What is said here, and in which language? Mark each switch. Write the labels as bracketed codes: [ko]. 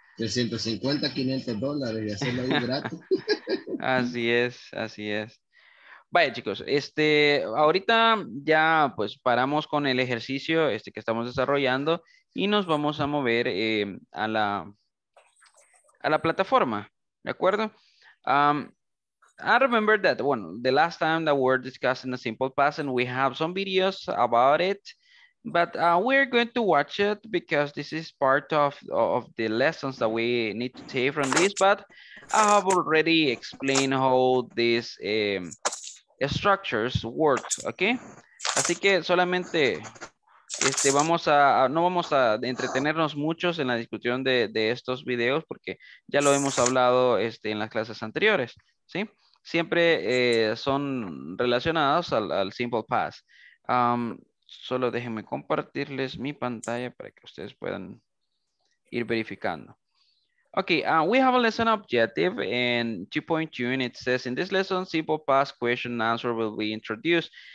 [es] De 150 a $500 y hacerlo ahí gratis. Así es. Vaya, chicos, ahorita ya pues paramos con el ejercicio que estamos desarrollando y nos vamos a mover a la plataforma, ¿de acuerdo? [en] I remember that, the last time that we're discussing the simple past and we have some videos about it. But we're going to watch it because this is part of the lessons that we need to take from this. But I have already explained how these structures work, okay? [es] Así que solamente Vamos a, no vamos a entretenernos muchos en la discusión de estos videos porque ya lo hemos hablado en las clases anteriores, ¿sí? Siempre son relacionados al simple past. Solo déjenme compartirles mi pantalla para que ustedes puedan ir verificando. [en] Okay, we have a lesson objective in 2.2 and it says in this lesson, simple past question and answer will be introduced.